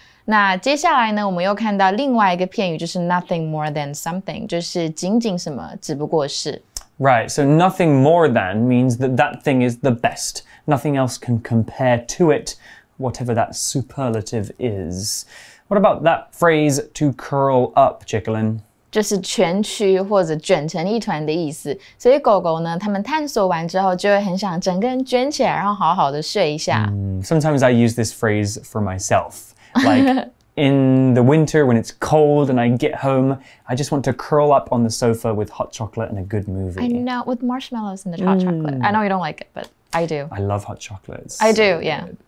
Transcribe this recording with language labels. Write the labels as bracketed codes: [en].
[zh] 那接下来呢，我们又看到另外一个片语，就是 nothing more than something， 就是仅仅什么，只不过是。 [en] Right, so nothing more than means that that thing is the best. Nothing else can compare to it, whatever that superlative is. What about that phrase, to curl up, Chicklin? [zh] 就是蜷曲或者卷成一团的意思，所以狗狗呢，它们探索完之后就会很想整个人卷起来，然后好好的睡一下。 [en] Sometimes I use this phrase for myself, like in the winter when it's cold and I get home, I just want to curl up on the sofa with hot chocolate and a good movie. I know, with marshmallows and the hot chocolate. I know you don't like it, but I do. I love hot chocolates. I do, yeah.